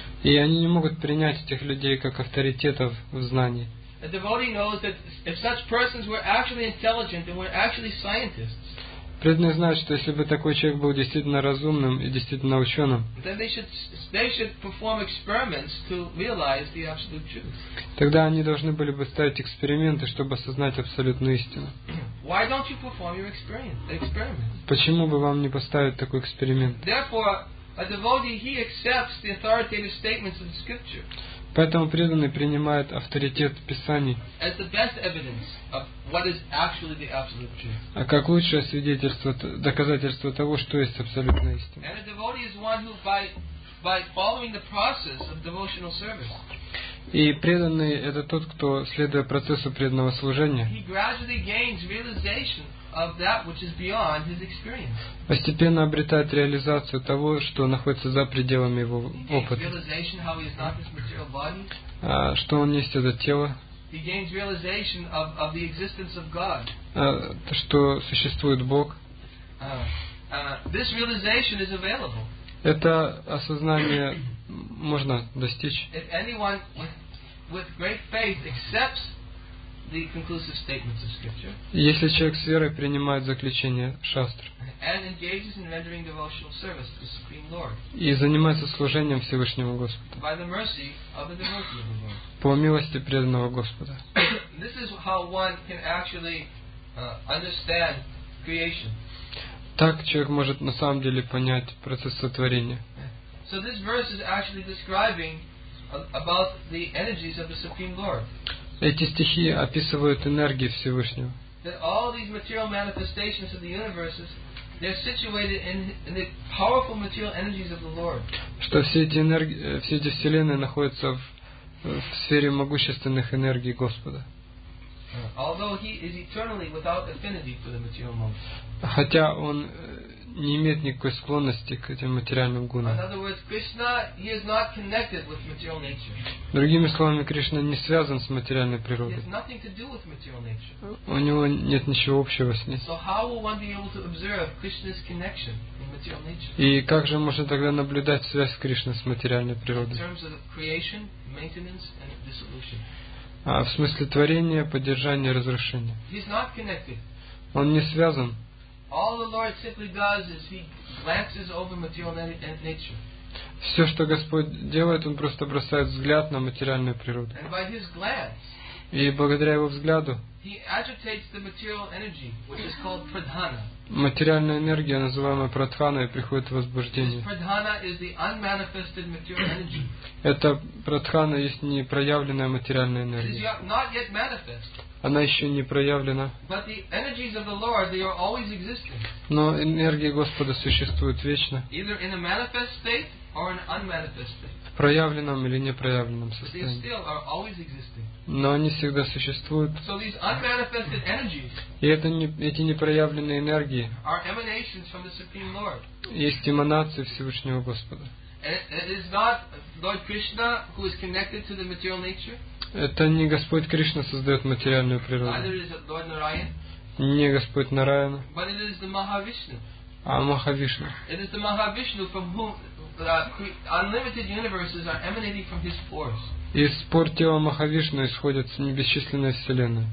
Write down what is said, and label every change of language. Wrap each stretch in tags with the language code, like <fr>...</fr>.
<ru>И они не могут принять этих людей как авторитетов в знании.</ru> <en>A devotee knows that if such persons were actually intelligent and were actually scientists.</en> <ru>Преданные знают, что если бы такой человек был действительно разумным и действительно ученым,</ru> <en>then they should perform experiments to realize the absolute truth.</en> <ru>Тогда они должны были бы ставить эксперименты, чтобы осознать абсолютную истину.</ru> <en>Why don't you perform your experiment?</en> <ru>Почему бы вам не поставить такой эксперимент?</ru> <en>Therefore, a devotee, he accepts the authoritative statements of the scripture.</en> <ru>Поэтому преданный принимает авторитет Писаний.</ru> <en>As the best evidence of what is actually the absolute truth.</en> <ru>А как лучшее свидетельство, доказательство того, что есть абсолютная истина.</ru> <en>And a devotee is one who by following the process of devotional service.</en> <ru>И преданный это тот, кто, следуя процессу преданного служения,</ru> <en>he gradually gains realization of that which is beyond his experience.</en> <ru>Постепенно обретает реализацию того, что находится за пределами его опыта.</ru> <en>He gains realization how he is not this material body.</en> <ru>Что он есть это тело.</ru> <en>He gains realization of the existence of God.</en> <ru>Что существует Бог.</ru> <en>This realization is available.</en> <ru>Это осознание можно достичь.</ru> <en>If anyone with great faith accepts the conclusive statements of scripture.</en> <ru>Если человек с верой принимает заключение шастр.</ru> <en>And engages in rendering devotional service to the Supreme Lord.</en> <ru>И занимается служением Всевышнему Господу.</ru> <en>By the mercy of the devotee of the Lord.</en> <ru>По милости преданного Господа.</ru> <en>This is how one can actually understand creation.</en> <ru>Так человек может на самом деле понять процесс сотворения.</ru> <en>So this verse is actually describing about the energies of the Supreme Lord.</en> <ru>Эти стихи описывают энергии Всевышнего.</ru> <en>That all these material manifestations of the universes, they're situated in the powerful material energies of the Lord.</en> <ru>Что все эти вселенные находятся в сфере могущественных энергий Господа.</ru> <en>Although he is eternally without affinity for the material mode.</en> <ru>Хотя он не имеет никакой склонности к этим материальным гунам.</ru> <en>In other words, Krishna, he is not connected with material nature.</en> <ru>Другими словами, Кришна не связан с материальной природой.</ru> <en>He has nothing to do with material nature.</en> <ru>У него нет ничего общего с ней.</ru> <en>So how will one be able to observe Krishna's connection with material nature?</en> <ru>И как же можно тогда наблюдать связь Кришны с материальной природой?</ru> <en>In terms of creation, maintenance, and dissolution.</en> <ru>А в смысле творения, поддержания, разрушения.</ru> <en>He is not connected.</en> <ru>Он не связан.</ru> <en>All the Lord simply does is he glances over material nature.</en> <ru>Все, что Господь делает, он просто бросает взгляд на материальную природу.</ru> <en>And by his glance,</en> <ru>и благодаря его взгляду,</ru> <en>he agitates the material energy, which is called pradhana.</en> <ru>Материальная энергия, называемая пратхана, и приходит в возбуждение.</ru> <en>Pradhana is the unmanifested material energy.</en> <ru>Это пратхана есть не проявленная материальная энергия.</ru> <en>It is not yet manifest.</en> <ru>Она еще не проявлена.</ru> <en>But the energies of the Lord, they are always existing.</en> <ru>Но энергии Господа существуют вечно.</ru> <en>Either in a manifest state or an unmanifest state.</en> <ru>В проявленном или непроявленном состоянии.</ru> <en>They still are always existing.</en> <ru>Но они всегда существуют.</ru> <en>So these unmanifested energies,</en> <ru>и это не, эти непроявленные энергии</ru> <en>are emanations from the Supreme Lord.</en> <ru>Есть эманации Всевышнего Господа.</ru> <en>It is not Lord Krishna who is connected to the material nature.</en> <ru>Это не Господь Кришна создает материальную природу.</ru> <en>Neither is it Lord Narayana.</en> <ru>Не Господь Нараяна.</ru> <en>But it is the Mahavishnu.</en> <ru>А Махавишна.</ru> <en>It is the Mahavishnu from whom unlimited universes are emanating from his force.</en> <ru>Из пор тела Махавишны исходят небесчисленные вселенные.</ru>